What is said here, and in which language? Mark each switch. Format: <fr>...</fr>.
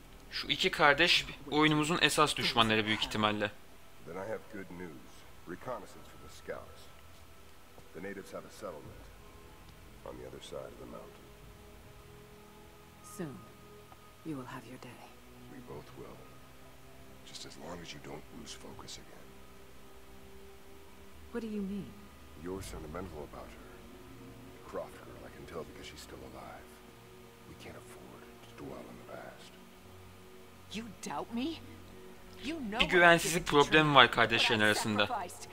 <tr>Şu iki kardeş oyunumuzun esas düşmanları büyük ihtimalle.</tr> <en>Then I have good news. Reconnaissance for the scouts. The natives have a settlement on the other side of the mountain. Soon you will have your day. We both will. Just as long as you don't lose focus again. What do you mean? You're sentimental about her. The Croft girl, I can tell because she's still alive. We can't afford to dwell on the past. You doubt me? You know.</en> <tr>Bir güvensizlik problemi var kardeşlerin arasında.</tr>